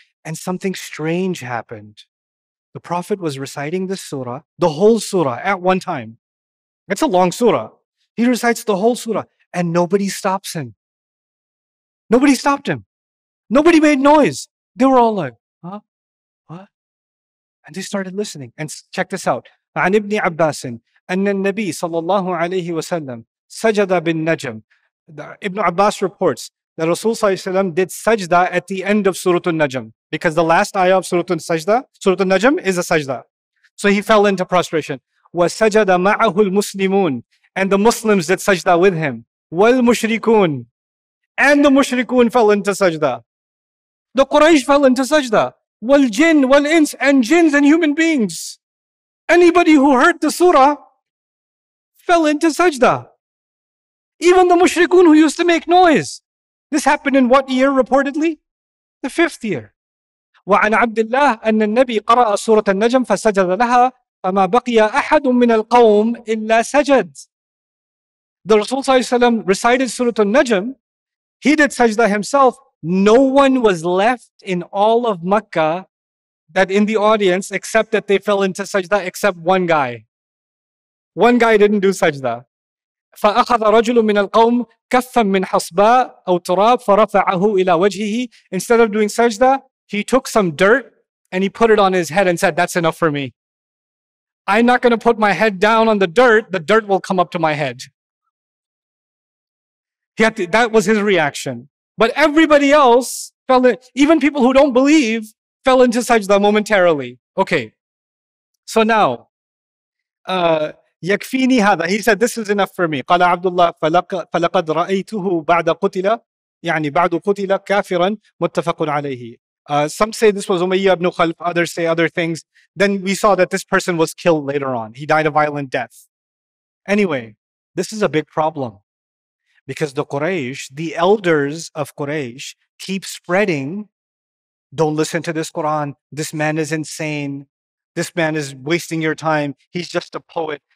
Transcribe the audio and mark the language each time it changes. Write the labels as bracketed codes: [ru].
[en] And something strange happened. The Prophet was reciting this surah, the whole surah at one time. It's a long surah. He recites the whole surah and nobody stops him. Nobody stopped him. Nobody made noise. They were all like, huh? What? And they started listening. And check this out. [ar] عن ابن عباس أن النبي صلى الله عليه وسلم سجد بالنجم. [en] Ibn Abbas reports that Rasul صلى الله عليه وسلم did sajda at the end of Surah An-Najm, because the last ayah of Surah An-Najm is a sajda. So he fell into prostration. [ar] وسجد معه المسلمون, [en] and the Muslims did sajda with him. [ar] والمشركون, [en] and the mushrikun fell into sajda. The Quraysh fell into sajda. [ar] والجن والإنس, [en] and jinns and human beings. Anybody who heard the surah fell into sajda. Even the mushrikun who used to make noise. This happened in what year reportedly? The fifth year. [ar] وعن عبد الله أن النبي قرأ سورة النجم فسجد لها فما بقي أحد من القوم إلا سجد. [en] The Rasul صلى الله عليه وسلم recited Surah An-Najm. He did sajda himself. No one was left in all of Makkah that in the audience, except that they fell into sajda, except one guy. One guy didn't do sajda. [ar] فَأَخَذَ رَجُلٌ مِنَ الْقَوْمِ كَفًّا مِنْ حَصْبَاءَ أَوْ تُرَابٍ فَرَفَعَهُ إِلَى وَجْهِهِ. [en] Instead of doing sajda, he took some dirt and he put it on his head and said, that's enough for me. I'm not going to put my head down on the dirt will come up to my head. That was his reaction. But everybody else fell in, even people who don't believe, fell into sajda momentarily. Okay. So now, [ar] yakfini hada. [en] He said, this is enough for me. [ar] Qala Abdullah, falakad ra'aytuhu ba'da qutila. يعني بعد قتل كافرا متفق عليه. [en] Some say this was Umayyah ibn Khalf, others say other things. Then we saw that this person was killed later on. He died a violent death. Anyway, this is a big problem. Because the Quraysh, the elders of Quraysh, keep spreading, don't listen to this Quran, this man is insane, this man is wasting your time, he's just a poet.